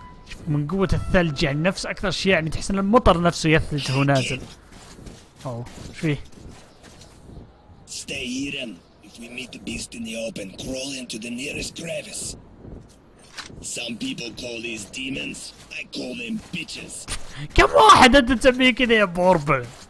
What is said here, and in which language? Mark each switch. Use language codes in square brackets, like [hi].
[ar] شوف من قوة الثلج يعني نفس أكثر شيء يعني تحس إن المطر نفسه يثلج هو نازل. أوه شوي. [en] Stay hidden. If we meet the beast in the open, crawl into the nearest crevice. Some people call these demons. I call them bitches. [ar] كم واحد أنت تسميه كذا يا بوربل؟